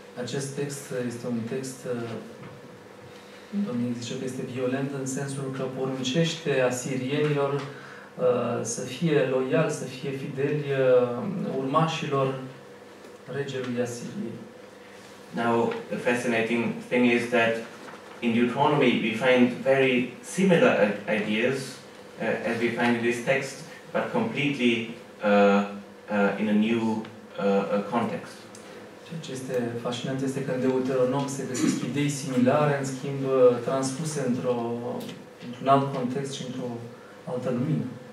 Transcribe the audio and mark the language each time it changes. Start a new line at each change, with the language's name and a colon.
Romanian: Acest text este un text Domnul zice că este violent în sensul că poruncește asirienilor să fie loial, să fie fideli urmașilor regelui Asiriei.
English: Now, the fascinating thing is that in Deuteronomy we find very similar ideas as we find in this text, but completely in a new context.
Romanian: Ceea ce este fascinant este că în Deuteronom se găsesc idei similare, în schimb transpuse într-un alt context și într-o altă lumină.